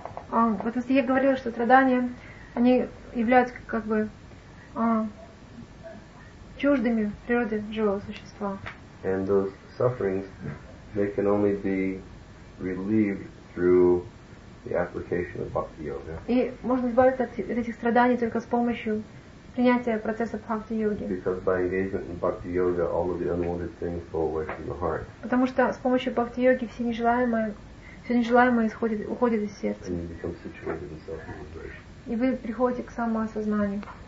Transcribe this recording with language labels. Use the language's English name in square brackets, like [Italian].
[Russian] Вот если я говорила, что страдания, они являются как бы чуждыми природы живого существа. [English] And those sufferings, they can only be relieved through the application of bhakti yoga. [Russian] И можно избавиться от этих страданий только с помощью принятия процесса бхакти йоги. [English] Because by engagement in bhakti yoga, all of the unwanted things go away from the heart. [Russian] Потому что с помощью бхакти йоги все нежелаемое уходит из сердца. [English] And you become situated in self-realization. [Russian] И вы приходите к самоосознанию.